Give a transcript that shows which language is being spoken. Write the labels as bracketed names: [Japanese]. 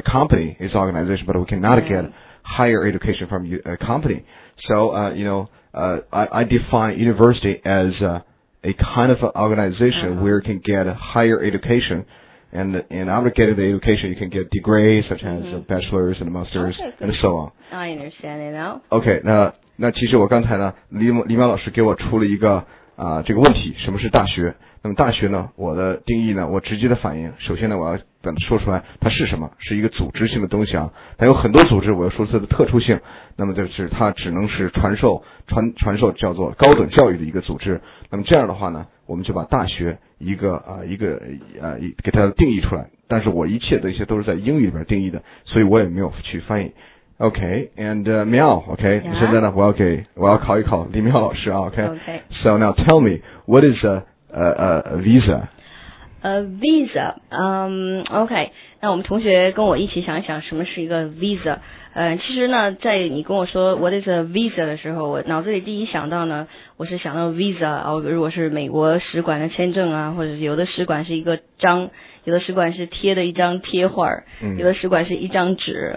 [English] A company is organization, but we cannot get higher education from a company. So, I define university as a kind of organization uh-huh. where you can get higher education. And after getting the education, you can get degrees such as a bachelor's and a master's okay, and so on. I understand it now. [Chinese] Okay, 那其实我刚才呢，李淼老师给我出了一个这个问题，什么是大学？那么大学呢，我的定义呢，我直接的反应，首先呢，我要等说出来它是什么，是一个组织性的东西啊，它有很多组织，我要说出它的特殊性，那么就是它只能是传授叫做高等教育的一个组织，那么这样的话呢，我们就把大学给它定义出来，但是我一切的一些都是在英语里边定义的，所以我也没有去翻译。 [English] OK, and Miao, OK,、 yeah. [Chinese] 现在呢，我要考一考李淼老师啊 okay? [English] ,OK, so now tell me, what is a visa. A visa. Okay. [Chinese] 那我们同学跟我一起想一想什么是一个 visa. 其实呢在你跟我说 [English] what is a visa [Chinese] 的时候，我脑子里第一想到呢，我是想到 visa, 如果是美国使馆的签证啊，或者有的使馆是一个章，有的使馆是贴的一张贴画、有的使馆是一张纸。